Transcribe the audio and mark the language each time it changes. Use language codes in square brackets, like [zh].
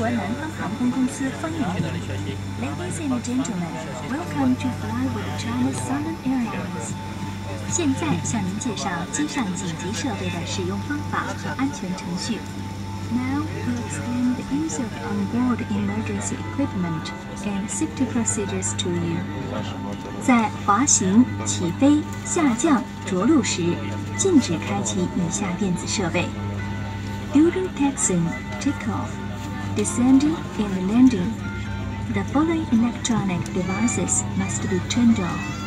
[zh] 女士们、先生们，国南方航空公司欢迎您。 [en] Ladies and gentlemen, welcome to fly with China Southern Airlines. [zh] 现在向您介绍机上紧急设备的使用方法和安全程序。 [en] Now we explain the use of onboard emergency equipment and safety procedures to you. [zh] 在滑行、起飞、下降、着陆时，禁止开启以下电子设备。 [en] During taxiing, takeoff, descending, and landing, the following electronic devices must be turned off.